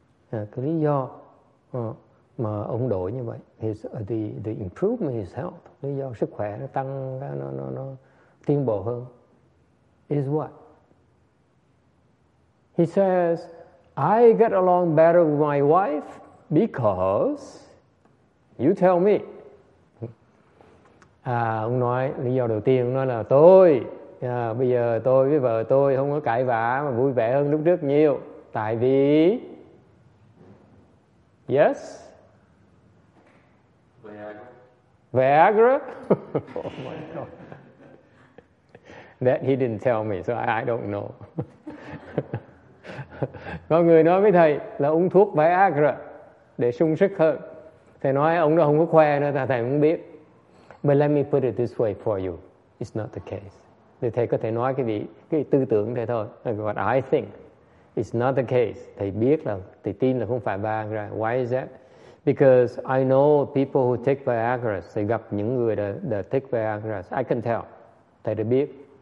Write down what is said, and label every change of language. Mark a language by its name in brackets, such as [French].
[Vietnamese] Cái lý do mà ông đổi như vậy, [English] the improvement his health, [Vietnamese] lý do sức khỏe nó tăng, nó tiến bộ hơn, [English] is what? He says, I get along better with my wife because you tell me. [Vietnamese] Ông nói lý do đầu tiên, ông nói là tôi. Bây giờ tôi với vợ tôi không có cãi vã mà vui vẻ hơn lúc trước nhiều. Tại vì... [English] Yes? Viagra. Oh my God. That he didn't tell me, so I don't know. [Vietnamese] Có người nói với thầy là uống thuốc Viagra để sung sức hơn. Thầy nói ông đó không có khoe nữa, thầy không biết. [English] But let me put it this way for you. It's not the case. [Vietnamese] Thì thầy có thể nói cái tư tưởng thế thôi. [English] What I think is not the case. [Vietnamese] Thầy biết là, thầy tin là không phải Viagra. [English] Why is that? Because I know people who take Viagra. [Vietnamese] Thầy gặp những người [English] that take Viagra. I can tell. [Vietnamese] Thầy đã biết.